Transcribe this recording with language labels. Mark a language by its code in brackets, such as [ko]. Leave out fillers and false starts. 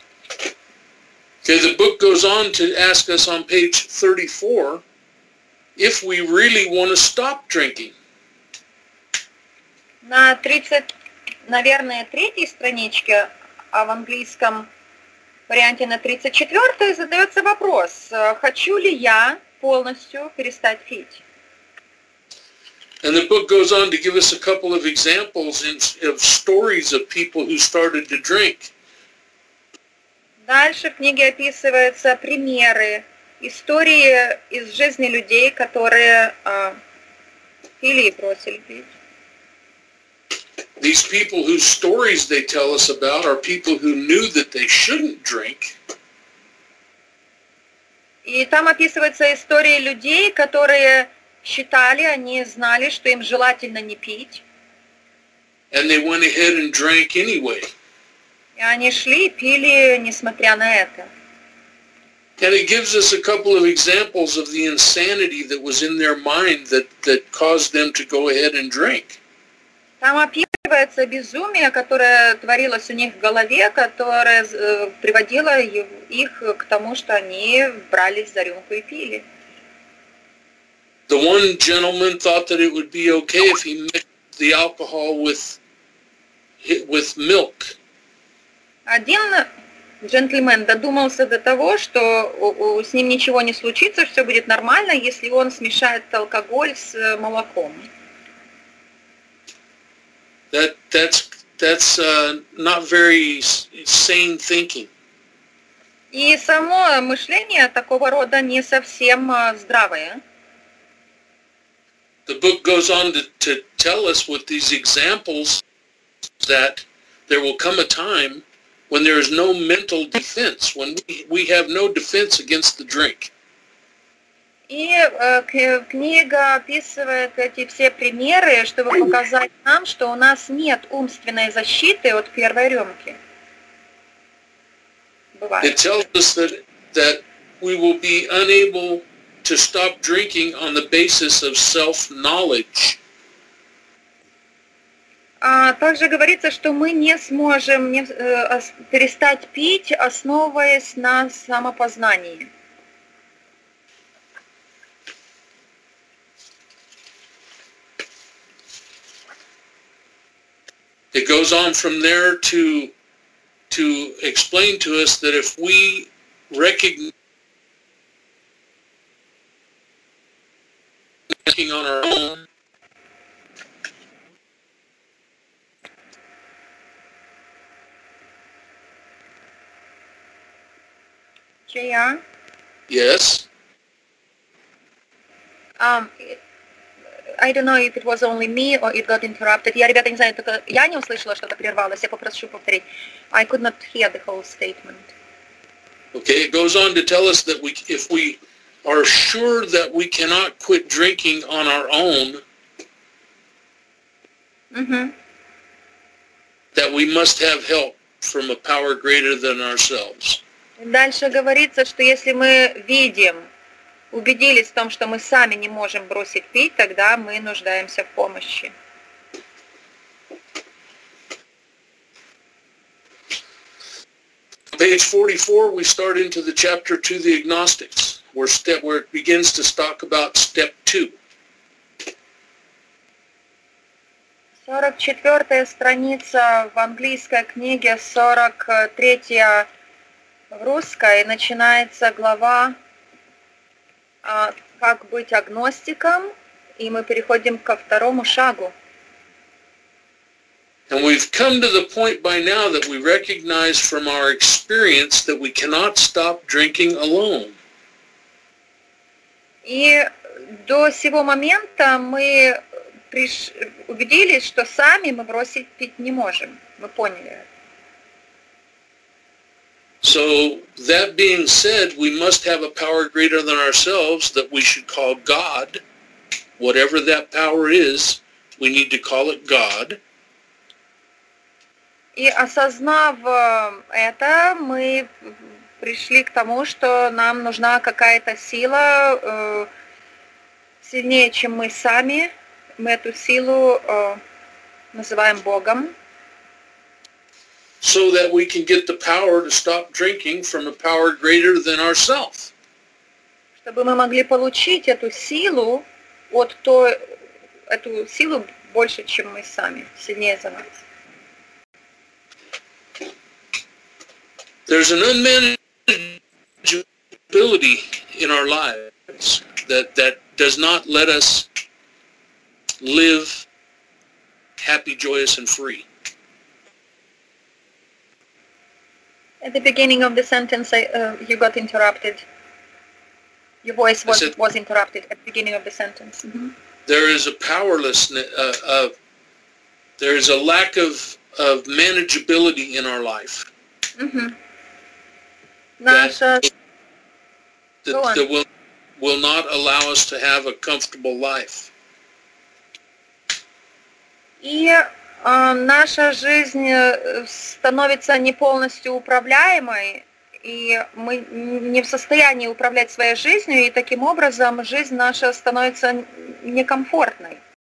[en] Okay, the book goes on to ask us on page 34 if we really want to stop drinking. [ru] На 30, наверное, третьей страничке, а в английском варианте на 34-й задается вопрос, хочу ли я полностью перестать пить? [en] And the book goes on to give us a couple of examples of stories of people who started to drink. [ru] Дальше в книге описываются примеры, истории из жизни людей, которые пили и бросили пить. [en] These people whose stories they tell us about are people who knew that they shouldn't drink. [ru] И там описываются истории людей, которые считали, они знали, что им желательно не пить. [en] And they went ahead and drank anyway. [ru] И они шли и пили, несмотря на это. [en] And it gives us a couple of examples of the insanity that was in their mind that caused them to go ahead and drink. [ru] Там описывается безумие, которое творилось у них в голове, которое приводило их к тому, что они брались за рюмку и пили. [en] The one gentleman thought that it would be okay if he mixed the alcohol with milk. [ru] Один джентльмен додумался до того, что с ним ничего не случится, все будет нормально, если он смешает алкоголь с молоком. [en] That's not very sane thinking. [ru] И само мышление такого рода не совсем здравое. [en] The book goes on to tell us with these examples that there will come a time when there is no mental defense, when we have no defense against the drink. [ru] И книга описывает эти все примеры, чтобы показать нам, что у нас нет умственной защиты от первой рюмки. Бывает. [en] It tells us that we will be unable to stop drinking on the basis of self-knowledge. [ru] Также говорится, что мы не сможем перестать пить, основываясь на самопознании. [en] It goes on from there to explain to us that if we recognize drinking on our own, Jian? Yes. I don't know if it was only me or it got interrupted. [ru] Я, ребята, не знаю, только я не услышала, что-то прервалось. Я попрошу повторить. [en] I could not hear the whole statement. Okay, it goes on to tell us that if we are sure that we cannot quit drinking on our own, that we must have help from a power greater than ourselves. [ru] Дальше говорится, что если мы видим, убедились в том, что мы сами не можем бросить пить, тогда мы нуждаемся в помощи. [en] Page 44, we start into the chapter 2, the agnostics, where it begins to talk about step 2. [ru] 44-я страница в английской книге, 43-я в русской, начинается глава как быть агностиком и мы переходим ко второму шагу. [en] And we've come to the point by now that we recognize from our experience that we cannot stop drinking alone. [ru] И до сего момента мы убедились, что сами мы бросить пить не можем. Мы поняли. [en] So, that being said, we must have a power greater than ourselves that we should call God. Whatever that power is, we need to call it God. [ru] И осознав это, мы пришли к тому, что нам нужна какая-то сила сильнее, чем мы сами. Мы эту силу называем Богом. [en] So that we can get the power to stop drinking from a power greater than ourselves. [ru] Чтобы мы могли получить эту силу от той, эту силу больше, чем мы сами, сильнее за нас. [en] There's an unmanageability in our lives that does not let us live happy, joyous, and free. At the beginning of the sentence, you got interrupted. Your voice was interrupted at the beginning of the sentence. Mm-hmm. There is a powerlessness, there is a lack of manageability in our life. Mm-hmm. That will not allow us to have a comfortable life. Yeah. [ru] Наша жизнь становится не полностью управляемой, и мы не в состоянии управлять своей жизнью, и таким образом жизнь наша становится некомфортной.